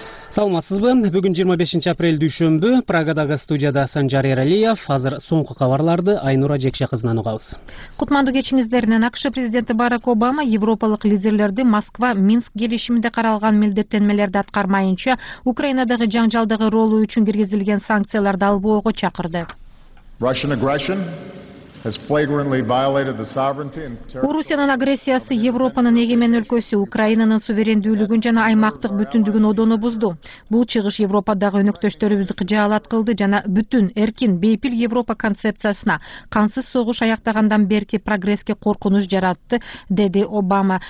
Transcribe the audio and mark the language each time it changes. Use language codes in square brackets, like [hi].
[ky] Саламатсызбы? Бүгүн 25 апрель дүйшөмбү. Прагадагы студияда Санжар Эралиев. Азыр соңку кабарларды Айнура Жекше кызынан угабыз. Кутмандуу кечиңиздеринен АКШ президенти Барак Обама европалык лидерлерди Москва Минск келишиминде каралган милдеттенмелерди аткармайынча Украинадагы жаңжалдагы ролу үчүн киргизилген санкцияларды албоого чакырды. [en] Russian aggression has flagrantly violated the sovereignty and territory. [ky] Орусиянын агрессиясы Европанын эгемен өлкөсү, Украинанын суверендүүлүгүн жана аймактык бүтүндүгүн одоно бузду. Бул чыгыш Европадагы өнөктөштөрүбүздү кыжаалат кылды жана бүтүн эркин, бейпил Европа концепциясына кансыз согуш аяктагандан берки прогресске коркунуч жаратты, деди Обама.